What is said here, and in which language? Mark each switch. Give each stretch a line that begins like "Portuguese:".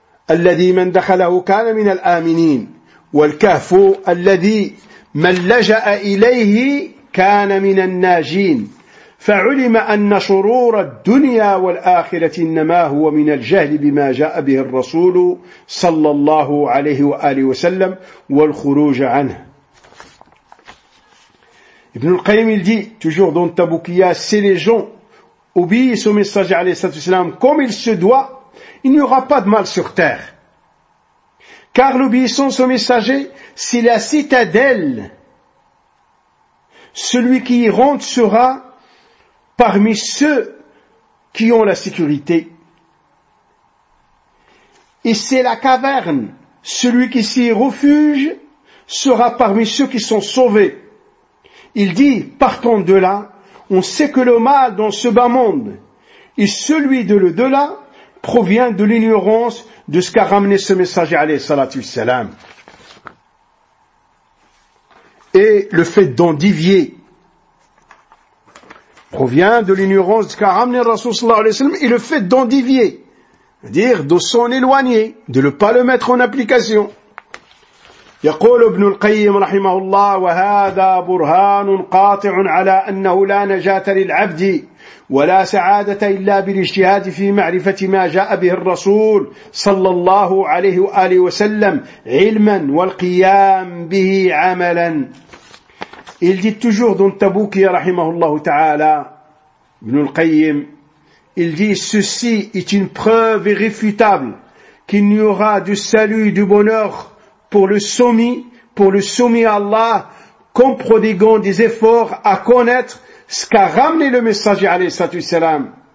Arabic: الذي من دخله كان من الآمنين والكهف الذي من لجأ إليه كان من الناجين فعلم أن شرور الدنيا والآخرة إنما هو من الجهل بما جاء به الرسول صلى الله عليه وآله وسلم والخروج عنه.
French: ابن القيم يلدي toujours dans Tabouqiya, c'est les gens obéissent au messager
Arabic: عليه الصلاة والسلام
French: comme il se doit. Il n'y aura pas de mal sur terre. Car l'obéissance au messager, c'est la citadelle. Celui qui y rentre sera parmi ceux qui ont la sécurité. Et c'est la caverne. Celui qui s'y refuge sera parmi ceux qui sont sauvés. Il dit, partons de là, on sait que le mal dans ce bas monde et celui de l'au-delà provient de l'ignorance de ce qu'a ramené ce messager alayhi salatu wassalam. Et le fait d'endivier provient de l'ignorance de ce qu'a ramené le Rasoul sallallahu alayhi wasallam et le fait d'endivier, c'est-à-dire de s'en éloigner, de ne pas le mettre en application.
Arabic: يقول ابن القيم رحمه الله وهذا برهان قاطع على أنه لا نجاة للعبد ولا سعادة إلا بالاجتهاد في معرفة ما جاء به الرسول صلى الله عليه وآله وسلم علما والقيام به عملا.
French: Il dit toujours dans Tabouki
Arabic: رحمه الله تعالى
French: ابن القيم, il dit, ceci est une preuve irréfutable qu'il n'y aura du salut du bonheur pour le soumis à Allah, qu'en prodiguant des efforts à connaître ce qu'a ramené le messager alayhi salatu wassalam.